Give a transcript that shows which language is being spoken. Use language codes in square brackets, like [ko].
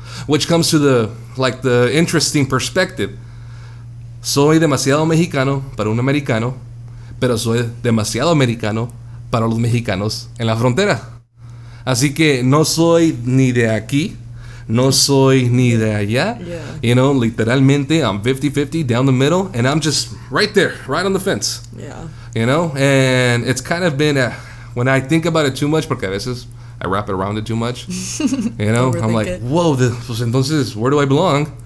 [en] Which comes to the, like, the interesting perspective. [es] Soy demasiado mexicano para un americano, pero soy demasiado americano para los mexicanos en la frontera. Así que no soy ni de aquí, no soy ni de allá. [en] Yeah. You know, literalmente, I'm 50-50 down the middle, and I'm just right there, right on the fence. Yeah. You know, and it's kind of been, when I think about it too much, [es] porque a veces... [en] I wrap it around it too much, you know. I'm like, whoa, entonces, where do I belong?